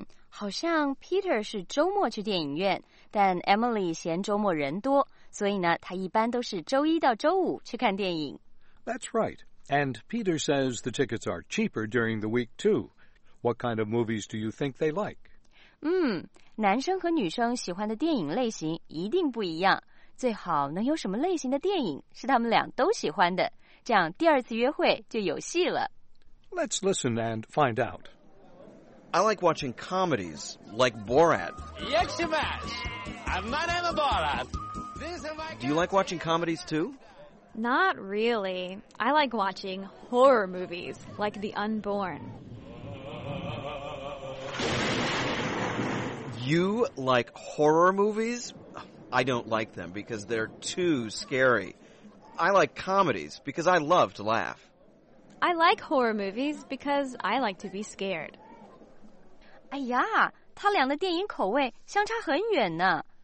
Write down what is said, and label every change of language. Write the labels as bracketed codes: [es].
[zh] 好像 Peter 是周末去电影院，但 Emily 嫌周末人多，所以呢，他一般都是周一到周五去看电影。 [en] That's right. And Peter says the tickets are cheaper during the week, too. What kind of movies do you think they like? [zh] 男生和女生喜欢的电影类型一定不一样，最好能有什么类型的电影是他们俩都喜欢的，这样第二次约会就有戏了。 [en] Let's listen and find out. I like watching comedies, like Borat. Yes, you must. My name is Borat. Do you like watching comedies too? Not really. I like watching horror movies, like The Unborn. You like horror movies? I don't like them because they're too scary. I like comedies because I love to laugh. I like horror movies because I like to be scared. [zh] 哎呀，他俩的电影口味相差很远呢。